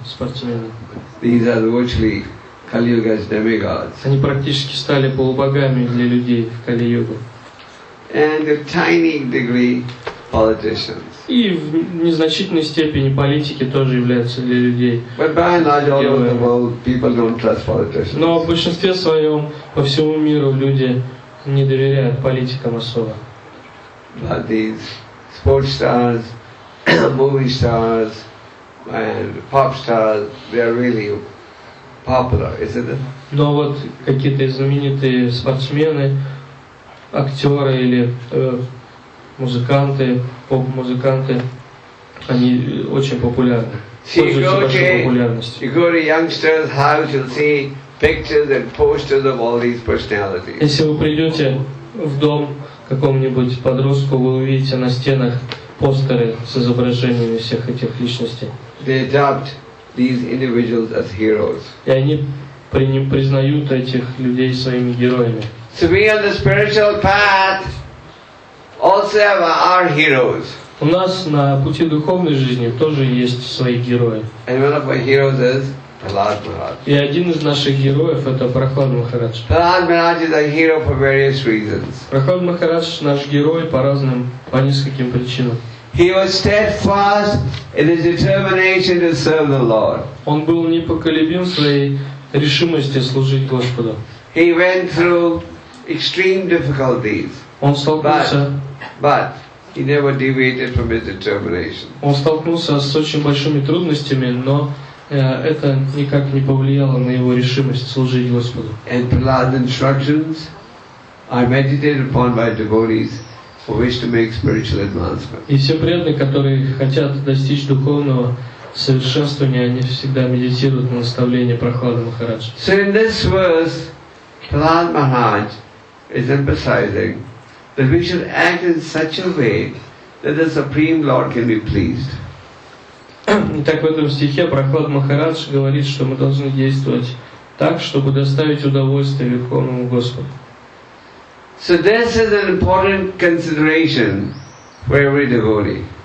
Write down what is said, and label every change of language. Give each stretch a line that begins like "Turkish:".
Russian: Спортсмены.
English: These are virtually Kali-Yuga's demigods.
Russian: Они практически стали полубогами для людей в Кали-Югу.
English: And a tiny degree politicians.
Russian: И в незначительной степени политики тоже являются для людей.
English: But by and large, all over the world, people don't trust politicians.
Russian: Но в большинстве своем по всему миру люди не доверяют политикам особо.
English: But these sports stars, movie stars, and pop stars, they are really popular, isn't it?
Russian: Но вот какие-то знаменитые спортсмены, актеры или музыканты, поп-музыканты, они очень популярны.
English: You go to youngsters' house, you'll see pictures and posters of all these personalities.
Russian: Если вы придете в дом какому-нибудь подростку, вы увидите на стенах постеры с изображениями всех этих личностей.
English: They adopt these individuals as heroes.
Russian: И они признают этих людей своими героями.
English: So we on the spiritual path also have our heroes.
Russian: У нас на пути духовной жизни тоже есть свои герои.
English: And one of our heroes is Prahlad Maharaj.
Russian: И один из наших героев это Прахлад Махарадж.
English: Prahlad Maharaj is a hero for various reasons.
Russian: Прахлад Махарадж наш герой по нескольким причинам.
English: He was steadfast in his determination to serve the Lord.
Russian: Он был непоколебим в своей решимости служить Господу.
English: He went through extreme difficulties.
Russian: Он столкнулся,
English: but he never deviated from his determination.
Russian: Он столкнулся с очень большими трудностями, но это никак не повлияло на его решимость служить Господу.
English: And Prahlad's instructions are meditated upon by devotees who wish to make spiritual advancement.
Russian: И все преданные, которые хотят достичь духовного совершенствования, они всегда медитируют на наставления Прахлады Махараджа.
English: So in this verse, Prahlad Maharaj is emphasizing that we should act in such a way that the Supreme Lord can be pleased.
Russian: Итак, в этом стихе Прахлад Махарадж говорит, что мы должны действовать так, чтобы доставить удовольствие Верховному Господу.
English: So this is an important consideration for every devotee.